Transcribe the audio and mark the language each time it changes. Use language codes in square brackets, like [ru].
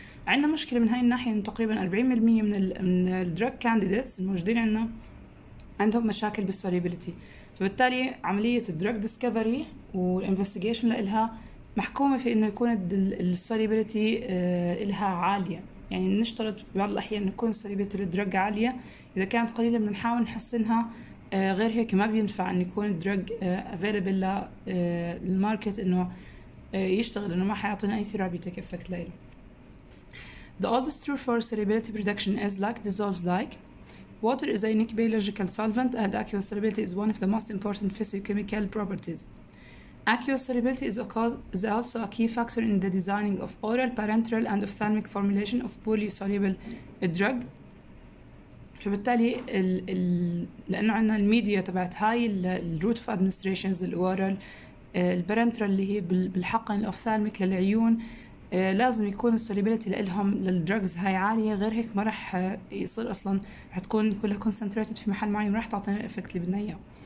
[ar] عندنا مشكله من هاي الناحيه، ان تقريبا 40% من الدراج كانديديتس الموجودين عندنا عندهم مشاكل بالسوليبيليتي، فبالتالي عمليه الدراج ديسكفري والانفستيجيشن لها محكومه في انه يكون السوليبيليتي لها عاليه. يعني نشترط بعض الاحيان انه يكون سوليبيليتي الدراج عاليه، اذا كانت قليله بنحاول نحسنها، غير هيك ما بينفع ان يكون الدراج افيلبل للماركت انه يشتغل، انه ما حيعطينا اي ثيرابيوتيك افكت له. [en] The oldest rule for solubility production is like dissolves like. Water is a unique biological solvent and aqueous solubility is one of the most important physicochemical properties. Aqueous solubility is also a key factor in the designing of oral, parenteral and ophthalmic formulation of poorly soluble drug. [ar] فبالتالي لانه عندنا الميديا تبعت هاي الروت اوف ادمنستريشنز الاورال، البارنترال اللي هي بالحقن، الاوفثالميك للعيون، لازم يكون السوليبيليتي لهم للدراجز هاي عاليه، غير هيك ما راح يصير اصلا، راح تكون كلها كونسنتريتد في محل معين، ما راح تعطينا الافكت اللي بدنا اياه.